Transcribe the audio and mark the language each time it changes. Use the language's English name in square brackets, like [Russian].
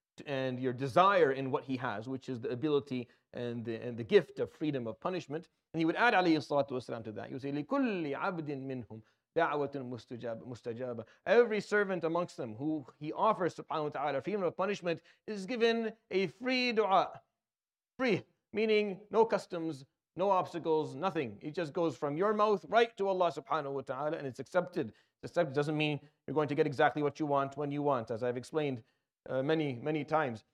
[English] and your desire in what he has, which is the ability and the gift of freedom of punishment. And he would add alayhi salatu wasalam to that. [Arabic] He would say, لِكُلِّ عَبْدٍ مِّنْهُمْ دَعْوَةٌ مُسْتَجَابَ. [English] Every servant amongst them who he offers subhanahu wa ta'ala freedom of punishment is given a free dua. Free, meaning no customs, no obstacles, nothing. It just goes from your mouth right to Allah subhanahu wa ta'ala, and it's accepted. Accepted doesn't mean you're going to get exactly what you want when you want, as I've explained many times.